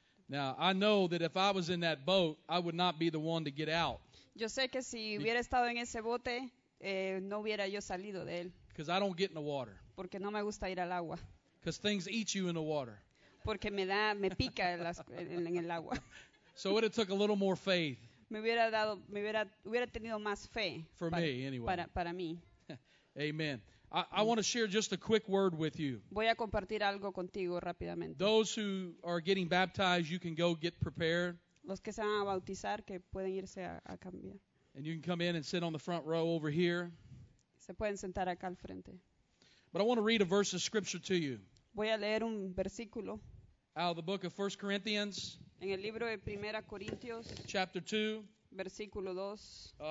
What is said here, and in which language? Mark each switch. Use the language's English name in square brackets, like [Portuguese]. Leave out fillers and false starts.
[English] Now, I know that if I was in that boat, I would not be the one to get out. [Spanish] Yo sé que si hubiera estado en ese bote, no hubiera yo salido de él. [English] Because I don't get in the water. [Spanish] Porque no me gusta ir al agua. [English] Because things eat you in the water. [Spanish] Porque me pica en el agua. [English] So it would have took a little more faith. [Spanish] Me hubiera tenido más fe. [English] For me, anyway. [Spanish] Para mí. [English] Amen. I want to share just a quick word with you. [Spanish] Voy a compartir algo contigo rápidamente. [English] Those who are getting baptized, you can go get prepared. [Spanish] Los que se van a bautizar, que pueden irse a cambiar. [English] And you can come in and sit on the front row over here. [Spanish] Se pueden sentar acá al frente. [English] But I want to read a verse of scripture to you. [Spanish] Voy a leer un versículo. [English] Out of the book of 1 Corinthians. [Spanish] En el libro de Primera Corintios. [English] Chapter 2. [Spanish] Versículo 2.